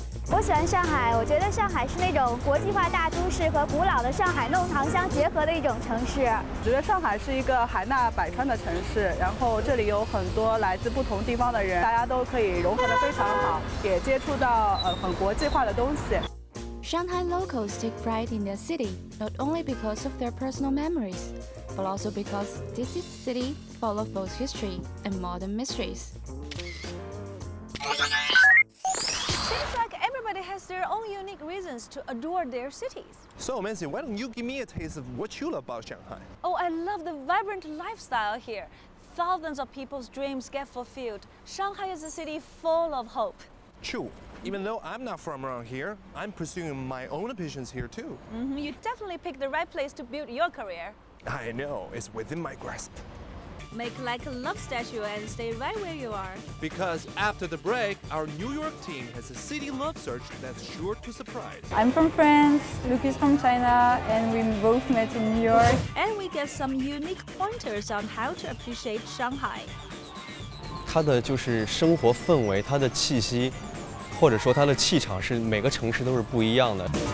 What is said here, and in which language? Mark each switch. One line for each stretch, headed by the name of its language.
Chinese: 我喜欢上海，我觉得上海是那种国际化大都市和古老的上海弄堂相结合的一种城市。我觉得上海是一个海纳百川的城市，然后这里有很多来自不同地方的人，大家都可以融合得非常好，也接触到很国际化的东西。
English: Shanghai locals take pride in their city, not only because of their personal memories, but also because this is a city full of both history and modern mysteries. Seems like everybody has their own unique reasons to adore their cities. So, Mansi, why don't you give me a taste of what you love about Shanghai? Oh, I love the vibrant lifestyle here. Thousands of people's dreams get fulfilled. Shanghai is a city full of hope. True. Even though I'm not from around here, I'm pursuing my own ambitions here too. Mm-hmm. You definitely picked the right place to build your career. I know, it's within my grasp. Make like a love statue and stay right where you are. Because after the break, our New York team has a city love search that's sure to surprise. I'm from France, Luke is from China, and we both met in New York. And we get some unique pointers on how to appreciate Shanghai.
Chinese: 它的就是生活氛围，它的气息，或者说它的气场是每个城市都是不一样的。